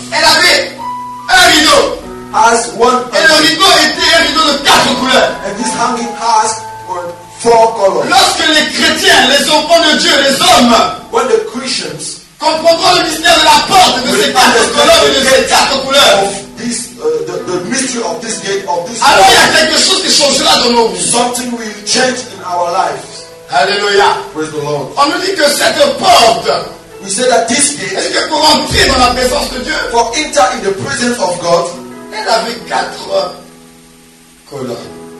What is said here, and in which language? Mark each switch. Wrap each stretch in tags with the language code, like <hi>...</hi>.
<fr>Elle avait un rideau.</fr> <en>Has one.</en> <fr>Et le rideau était un rideau de quatre couleurs.</fr> <en>And this hanging has four colors.</en> <fr>Lorsque les chrétiens, les enfants de Dieu, les hommes,</fr> <en>when the Christians</en> <fr>comprendront le mystère de la porte de ces quatre colonnes et de ces quatre couleurs,</fr> <en>of this, the mystery of this gate of this.</en> <fr>Alors il y a quelque chose qui changera dans nos vies.</fr> <en>Something will change in our lives.</en> <fr>Alléluia.</fr> <en>Praise the Lord.</en> <fr>On nous dit que cette porte,</fr> <en>we said that this gate,</en> <fr>est-ce que pour entrer dans la présence de Dieu,</fr> <en>for enter in the presence of God,</en> <fr>elle avait quatre colonnes.</fr>